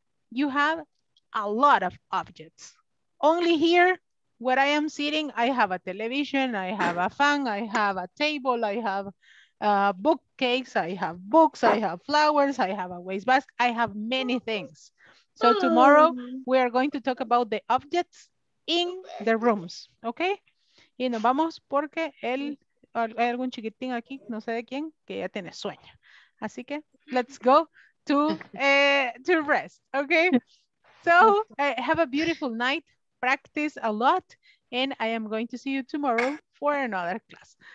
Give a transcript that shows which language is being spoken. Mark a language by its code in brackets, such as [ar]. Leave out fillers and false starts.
[en] You have a lot of objects. Only here, where I am sitting, I have a television, I have a fan, I have a table, I have bookcase, I have books, I have flowers, I have a wastebasket, I have many things. So tomorrow, we are going to talk about the objects in the rooms, okay? [es] Y nos vamos porque él, hay algún chiquitín aquí, no sé de quién, que ya tiene sueño. Así que, [en] let's go to rest, okay? So, have a beautiful night, practice a lot, and I am going to see you tomorrow for another class.